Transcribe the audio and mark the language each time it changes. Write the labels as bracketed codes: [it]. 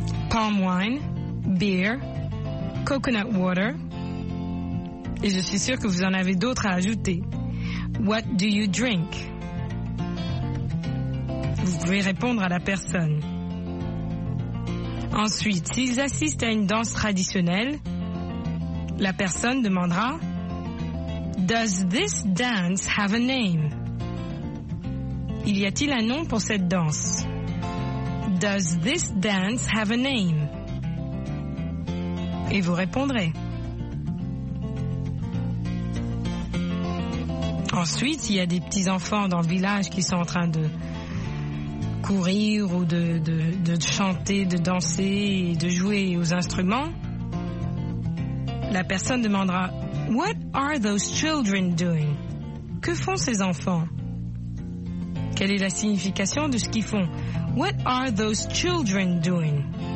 [en] Palm wine, beer, coconut water. [fr] Et je suis sûre que vous en avez d'autres à ajouter. [en] What do you drink? [fr] Vous pouvez répondre à la personne. Ensuite, s'ils assistent à une danse traditionnelle, la personne demandera « [en] Does this dance have a name ?» [fr] Y a-t-il un nom pour cette danse ?« [en] Does this dance have a name ?» [fr] Et vous répondrez. Ensuite, il y a des petits-enfants dans le village qui sont en train de courir ou de chanter, de danser et de jouer aux instruments, la personne demandera « [en] What are those children doing ?» [fr] Que font ces enfants ? Quelle est la signification de ce qu'ils font ? [en] « What are those children doing ?»